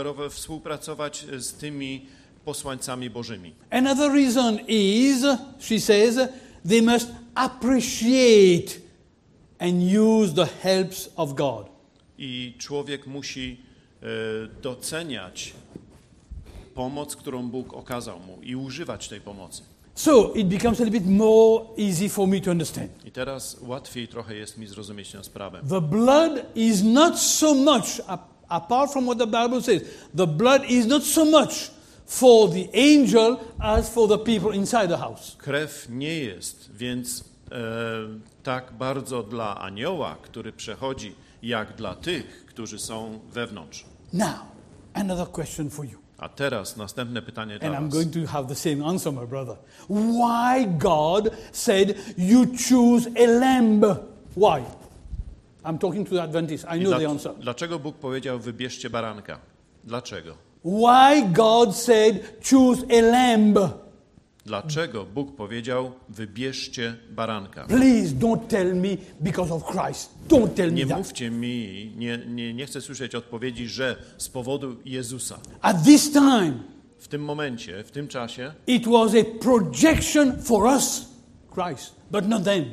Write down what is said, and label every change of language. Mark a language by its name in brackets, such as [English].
[Polish] Współpracować z tymi posłańcami Bożymi. [English] Another reason is, she says, they must appreciate and use the helps of God. [Polish] I człowiek musi doceniać pomoc, którą Bóg okazał mu i używać tej pomocy. [English] So it becomes a little bit more easy for me to understand. [Polish] I teraz łatwiej trochę jest mi zrozumieć tę sprawę. [English] The blood is not so much, apart from what the Bible says, the blood is not so much for the angel as for the people inside the house. [Polish] Krew nie jest więc tak bardzo dla anioła, który przechodzi, jak dla tych, którzy są wewnątrz. [English] Now, another question for you. [Polish] A teraz następne pytanie [English] and [Polish] dla [English] I'm [Polish] was. [English] Going to have the same answer, my brother. Why God said you choose a lamb? Why? I'm talking to the Adventists. I know the answer. [Polish] Dlaczego Bóg powiedział wybierzcie baranka? Dlaczego? [English] Why God said choose a lamb? [Polish] Dlaczego Bóg powiedział wybierzcie baranka? [English] Please don't tell me because of Christ. Don't tell [Polish] nie [English] me. [Polish] Nie mówcie mi, nie chcę słyszeć odpowiedzi, że z powodu Jezusa. [English] At this time. [Polish] W tym momencie, w tym czasie. [English] It was a projection for us, Christ, but not them.